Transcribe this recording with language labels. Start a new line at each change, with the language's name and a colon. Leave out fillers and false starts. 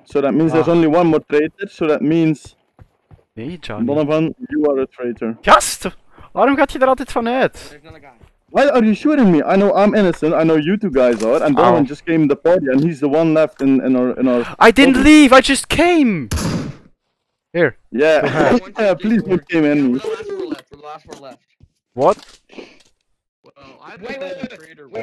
English: So that means there's only one more traitor, so that means...
Dutch: Nee, Johnny.
English: Donovan, you are a traitor.
Dutch: Gast! Waarom gaat je er altijd van uit?
English: Why are you shooting me? I know I'm innocent. I know you two guys are. And Darwin just came to the party, and he's the one left in our. I didn't leave. I just came. Here. Yeah. Yeah. Please don't aim in me. We're the last four left. We're the last four left.